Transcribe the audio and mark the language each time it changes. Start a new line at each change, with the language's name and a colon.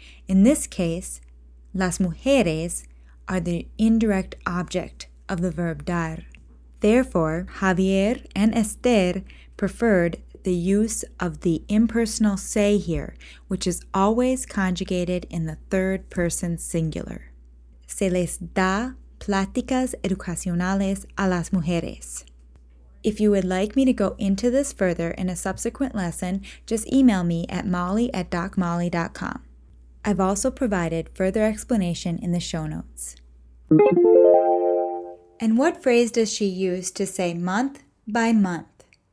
English: In this case, las mujeres are the indirect object of the verb dar. Therefore, Javier and Esther preferred the use of the impersonal say here, which is always conjugated in the third person singular.
Spanish: Se les da pláticas educacionales a las mujeres.
English: If you would like me to go into this further in a subsequent lesson, just email me at molly@docmolly.com. I've also provided further explanation in the show notes. And what phrase does she use to say month by month?